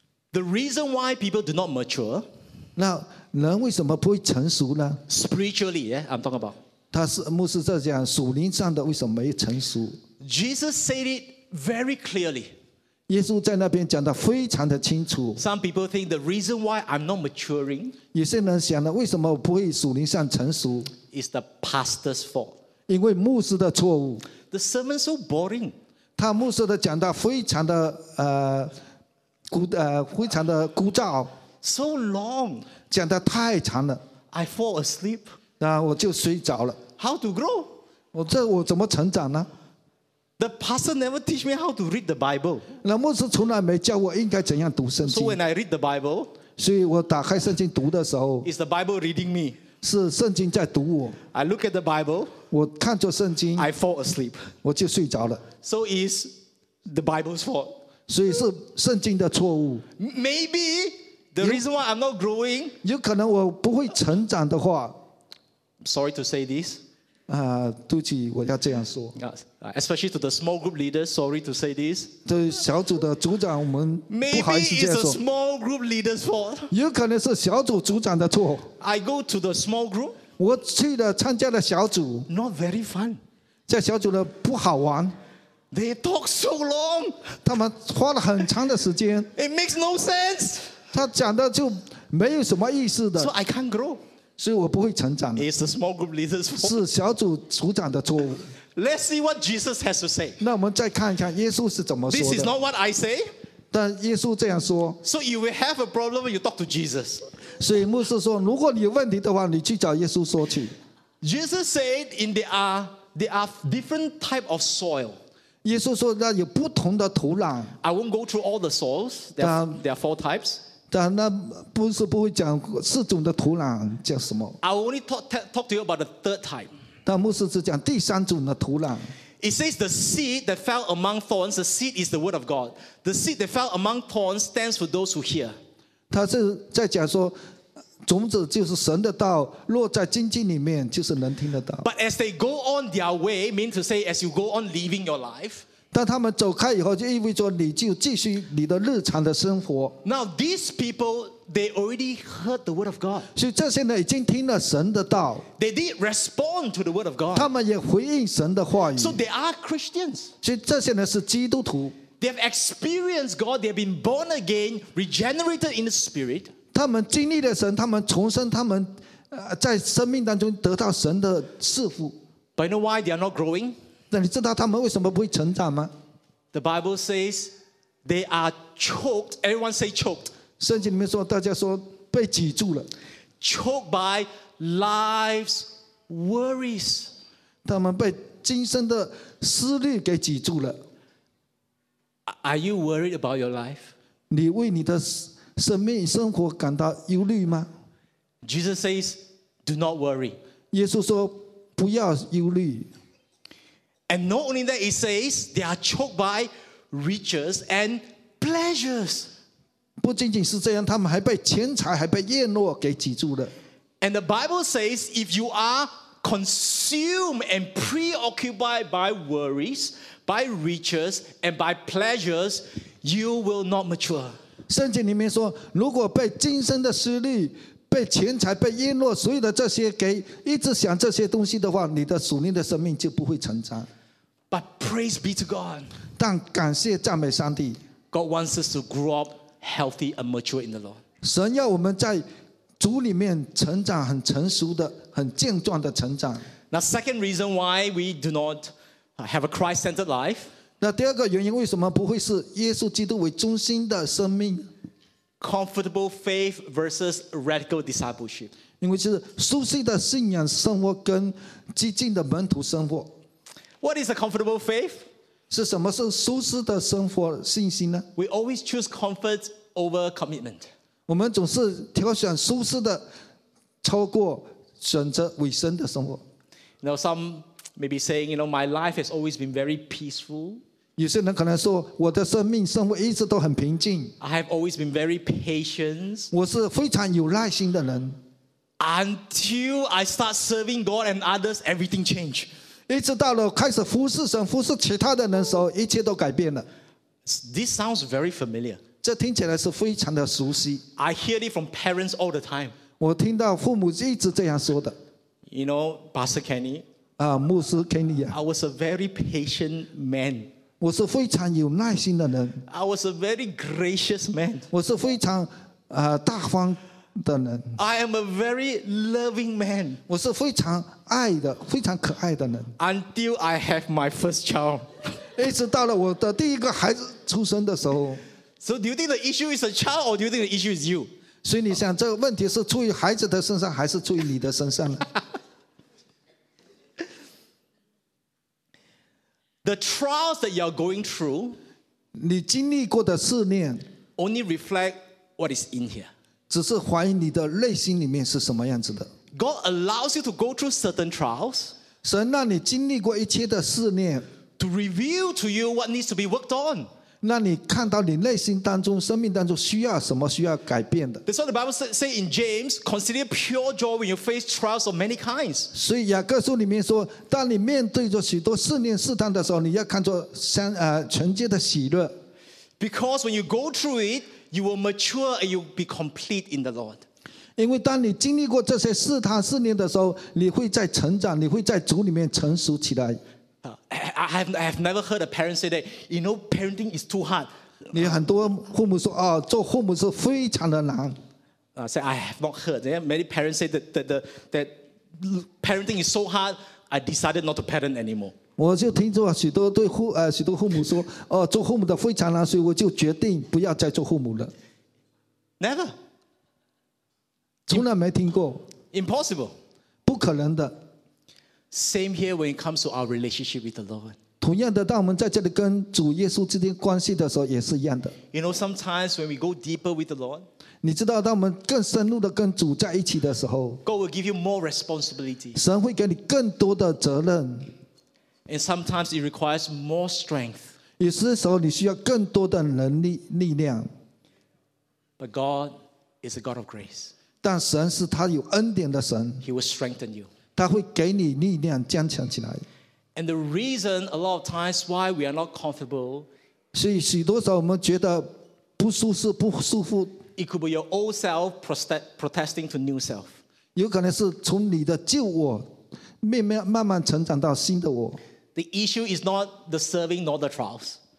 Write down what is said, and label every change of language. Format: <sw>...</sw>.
<en>？The reason why people do not mature.</en> <zh>那人为什么不会成熟呢</zh> <en>？Spiritually, I'm talking about.</en> <zh>他是牧师在讲属灵上的为什么没成熟</zh> <en>？Jesus said it very clearly.</en> <zh>耶稣在那边讲的非常的清楚。</zh> <en>Some people think the reason why I'm not maturing.</en> <zh>有些人想了，为什么不会属灵上成熟</zh> <en>？It's the pastor's fault.</en> <zh>因为牧师的错误。</zh> <en>The sermon so boring.</en> <zh>他牧师的讲道非常的非常的枯燥。</zh> <en>So long.</en> <zh>讲的太长了。</zh> <en>I fall asleep.</en> <zh>那我就睡着了。</zh> <en>How to grow?</en> <zh>我怎么成长呢</zh> <en>？The pastor never teach me how to read the Bible.</en> <zh>那牧师从来没教我应该怎样读圣经。</zh> <en>So when I read the Bible.</en> <zh>所以我打开圣经读的时候</zh> <en>，Is the Bible reading me？</en> <zh>是圣经在读我。</zh> <en>I look at the Bible，</en> <zh>我看着圣经</zh> <en>，I fall asleep，</en> <zh>我就睡着了。</zh> <en>So is the Bible's fault？</en> <zh>所以是圣经的错误。</zh> <en>Maybe the reason why I'm not growing，</en> <zh>有可能我不会成长的话</zh> <en>，Sorry to say this，</en> <zh>对不起，我要这样说。</zh> <en>Especially to the small group leaders, sorry to say this.</en> <zh>对小组的组长，我们不好意思这样说。</zh> <en>Maybe it's a small group leader's fault.</en> <zh>有可能是小组组长的错。</zh> <en>I go to the small group.</en> <zh>我去了参加了小组。</zh> <en>Not very fun.</en> <zh>在小组的不好玩。</zh> <en>They talk so long.</en> <zh>他们花了很长的时间。</zh> <en>It makes no sense.</en> <zh>他讲的就没有什么意思的。</zh> <en>So I can't grow.</en> <zh>所以我不会成长的。</zh> <en>It's the small group leader's fault.</en> <zh>是小组组长的错误。</zh> <en>Let's see what Jesus has to say.</en> <zh>那我们再看一看耶稣是怎么说的。</zh> <en>This is not what I say.</en> <zh>但耶稣这样说。</zh> <en>So you will have a problem when you talk to Jesus.</en> <zh>所以牧师说，如果你有问题的话，你去找耶稣说去。</zh> <en>Jesus said, "In there are different type of soil."</en> <zh>耶稣说，那有不同的土壤。</zh> <en>I won't go through all the soils. There are four types.</en> <zh>但那不是不会讲四种的土壤叫什么</zh> <en>I only talk to you about the third type</en> <zh>但牧师只讲第三种的土壤</zh> <en>It says the seed that fell among thorns The seed is the word of God The seed that fell among thorns stands for those who hear</en> <zh>他是在讲说种子就是神的道落在荆棘里面就是能听得到</zh> <en>But as they go on their way mean to say as you go on living your life</en> <zh>但他们走开以后，就意味着你就继续你的日常的生活。</zh> <en>Now these people, they already heard the word of God.</en> <zh>所以这些人已经听了神的道。</zh> <en>They did respond to the word of God.</en> <zh>他们也回应神的话语。</zh> <en>So they are Christians.</en> <zh>所以这些人是基督徒。</zh> <en>They have experienced God. They have been born again, regenerated in the Spirit.</en> <zh>他们经历了神，他们重生，他们在生命当中得到神的赐福。</zh> <en>But you know why they are not growing?</en> <zh>那你知道他们为什么不会成长吗</zh> <en>？The Bible says they are choked. Everyone say choked.</en> <zh>圣经里面说，大家说被挤住了。</zh> <en>Choked by life's worries.</en> <zh>他们被今生的思虑给挤住了。</zh> <en>Are you worried about your life?</en> <zh>你为你的生命生活感到忧虑吗</zh> <en>？Jesus says, "Do not worry."</en> <zh>耶稣说，不要忧虑。</zh> <en>And not only that, it says they are choked by riches and pleasures.</en> <zh>不仅仅是这样，他们还被钱财、还被艳落给挤住了。</zh> <en>And the Bible says, if you are consumed and preoccupied by worries, by riches and by pleasures, you will not mature.</en> <zh>圣经里面说，如果被今生的思虑、被钱财、被艳落，所有的这些给一直想这些东西的话，你的属灵的生命就不会成长。</zh> <en>But praise be to God.</en> <zh>但感谢赞美上帝。</zh> <en>God wants us to grow up healthy and mature in the Lord.</en> <zh>神要我们在主里面成长，很成熟的，很健壮的成长。</zh> <en>Now, second reason why we do not have a Christ-centered life.</en> <zh>那第二个原因为什么不会是耶稣基督为中心的生命</zh> <en>？Comfortable faith versus radical discipleship.</en> <zh>因为是舒适的信仰生活跟激进的门徒生活。</zh> <en>What is a comfortable faith?</en> <zh>是什么是舒适的生活信心呢</zh> <en>？We always choose comfort over commitment.</en> <zh>我们总是挑选舒适的，超过选择委身的生活。</zh> <en>You know, some may be saying, you know, my life has always been very peaceful.</en> <zh>有些人可能说，我的生命生活一直都很平静。</zh> <en>I have always been very patient.</en> <zh>我是非常有耐心的人。</zh> <en>Until I start serving God and others, everything changed.</en> <zh>一直到了开始服侍神、服侍其他的人的时候，一切都改变了。</zh> <en>This sounds very familiar.</en> <zh>这听起来是非常的熟悉。</zh> <en>I hear it from parents all the time.</en> <zh>我听到父母一直这样说的。</zh> <en>You know, Pastor Kenny.</en> <zh>啊，牧师 Kenny 啊。</zh> <en>I was a very patient man.</en> <zh>我是非常有耐心的人。</zh> <en>I was a very gracious man.</en> <zh>我是非常大方。</zh> <en>I am a very loving man.</en> <zh>我是非常爱的，非常可爱的人。</zh> <en>Until I have my first child,</en> <zh>一直到了我的第一个孩子出生的时候。</zh> <en>So do you think the issue is a child, or do you think the issue is you?</en> <zh>所以你想，这个问题是出于孩子的身上，还是出于你的身上呢？</zh> <en>The trials that you are going through,</en> <zh>你经历过的试炼</zh> <en>only reflect what is in here.</en> <zh>只是怀疑你的内心里面是什么样子的。</zh> <en>God allows you to go through certain trials.</en> <zh>神让你经历过一切的试炼。</zh> <en>To reveal to you what needs to be worked on.</en> <zh>那你看到你内心当中生命当中需要什么需要改变的。</zh> <en>That's what the Bible says in James, consider pure joy when you face trials of many kinds.</en> <zh>所以雅各书里面说，当你面对着许多试炼试探的时候，你要看作纯洁的喜乐。</zh> <en>Because when you go through it, you will mature and you will be complete in the Lord.</en> <zh>因为当你经历过这些试探试炼的时候，你会在成长，你会在主里面成熟起来。</zh> <en>I have never heard a parent say that. You know, parenting is too hard.</en> <zh>你很多父母说，做父母是非常的难。</zh> <en>Say I have not heard. Many parents say that parenting is so hard. I decided not to parent anymore.</en> <zh>我就听说许多对父许多父母说，做父母的非常难，所以我就决定不要再做父母了。</zh> <en>Never.</en> <zh>从来没听过。</zh> <en>Impossible.</en> <zh>不可能的。</zh> <en>Same here when it comes to our relationship with the Lord.</en> <zh>同样的，当我们在这里跟主耶稣之间关系的时候也是一样的。</zh> <en>You know, sometimes when we go deeper with the Lord,</en> <zh>你知道当我们更深入的跟主在一起的时候，</zh> <en>God will give you more responsibility.</en> <zh>神会给你更多的责任。</zh> <en>And sometimes it requires more strength.</en> <zh>有时候你需要更多的能力力量。</zh> <en>But God is a God of grace.</en> <zh>但神是他有恩典的神，</zh> <en>He will strengthen you.</en> <zh>他会给你力量坚强起来。</zh> <en>And the reason a lot of times why we are not comfortable,</en> <zh>所以许多时候我们觉得不舒适不舒服，</zh> <en>It could be your old self protesting to new self.</en> <zh>有可能是从你的旧我慢慢成长到新的我。</zh> <en>The issue is not the serving nor the trials.</en>